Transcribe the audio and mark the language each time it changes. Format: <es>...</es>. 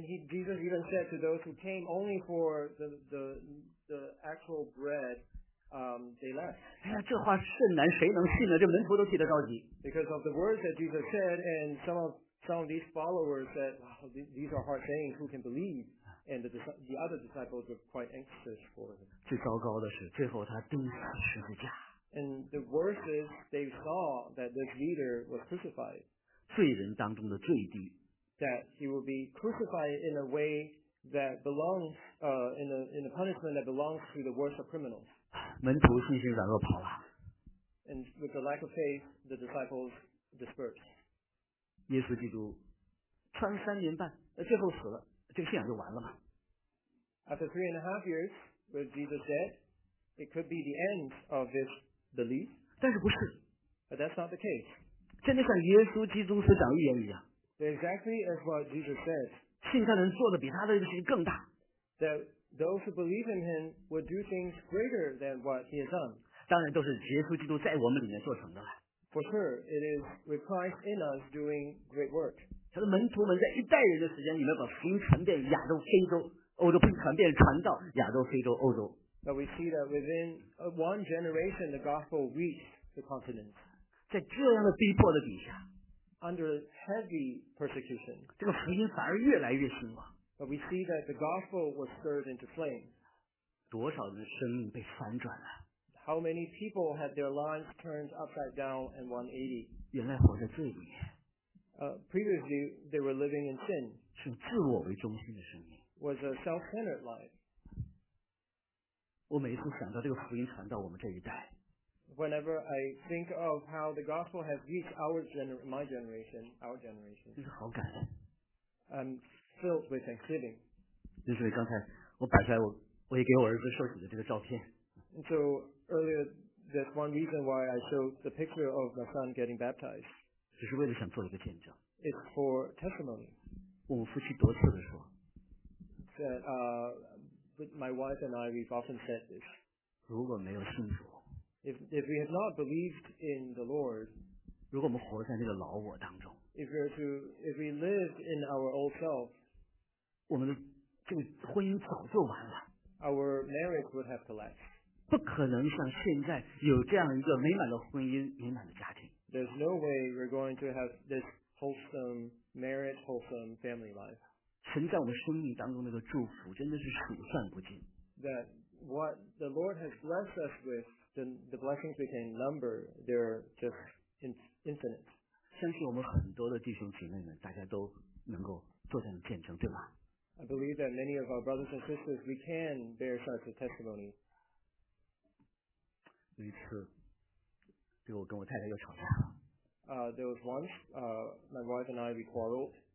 <en>Jesus even said to those who came only for the actual bread, they left.</en> <zh>哎呀，这话甚难，谁能信呢？这门徒都替他着急。</zh> <en>Because of the words that Jesus said, and some of these followers said, wow, these are hard things, who can believe? And the other disciples were quite anxious for him.</en> <zh>最糟糕的是最后他钉死十字架。</zh> <en>And the worst is they saw that this leader was crucified.</en> <zh>罪人当中的最低。</zh> <en>That he will be crucified in a way that belongs, in a punishment that belongs to the worst of criminals.</en> <zh>门徒信心软弱跑了。</zh> <en>And with the lack of faith, the disciples dispersed.</en> <zh>耶稣基督穿三年半，最后死了，这个信仰就完了嘛。</zh> <en>After 3.5 years with Jesus dead, it could be the end of this belief.</en> <zh>但是不是。</zh> <en>But that's not the case.</en> <zh>真的像耶稣基督所讲预言一样。</zh> <en>Exactly as what Jesus said.</en> <zh>信他人做的比他的事情更大。</zh> <en>That those who believe in him would do things greater than what he has done.</en> <zh>当然都是耶稣基督在我们里面做成的了。</zh> <en>For sure, it is with Christ in us doing great work.</en> <zh>他的门徒们在一代人的时间里面把福音传遍亚洲、非洲、欧洲，传遍传到亚洲、非洲、欧洲。</zh> <en>But we see that within one generation, the gospel reached the continents.</en> <zh>在这样的逼迫的底下</zh> <en>，under heavy persecution，</en> <zh>这个福音反而越来越兴旺。</zh> <en>But we see that the gospel was stirred into flame.</en> <zh>多少人的生命被翻转了？</zh> <en>How many people had their lives turned upside down and 180?</en> <zh>原来活在罪里。</zh> <en>Previously, they were living in sin.</en> <zh>是自我为中心的生命。</zh> <en>Was a self-centered life.</en> <zh>我每次想到这个福音传到我们这一代。</zh> <en>Whenever I think of how the gospel has reached our generation.</en> <zh>真是好感恩。</zh> <en>I'm filled with thanksgiving.</en> <zh>就是刚才我摆出来我也给我儿子受洗的这个照片。</zh> <en>And so,Earlier, that's one reason why I showed the picture of my son getting baptized.</en> <zh>只是为了想做一个见证。</zh> <en>It's for testimony.</en> <zh>我们夫妻多次的说。</zh> <en>That my wife and I, we've often said this.</en> <zh>如果没有信主。</zh> <en>If we have not believed in the Lord.</en> <zh>如果我们活在那个老我当中。</zh> <en>If we live in our old self.</en> <zh>我们的这个婚姻早就完了。</zh> <en>Our marriage would have collapsed.</en> <zh>不可能像现在有这样一个美满的婚姻、美满的家庭。</zh> <en>There's no way we're going to have this wholesome marriage, wholesome family life.</en> <zh>神在我们生命当中那个祝福真的是数算不尽。</zh> <en>That what the Lord has blessed us with, the blessings we can number, they're just infinite.</en> <zh>相信我们很多的弟兄姐妹们，大家都能够做这样的见证，对吧</zh> <en>？I believe that many of our brothers and sisters, we can bear such a testimony.</en> <zh>有一次，就我跟我太太又吵架。</zh> <en>There was once, my wife and I we quarreled.</en>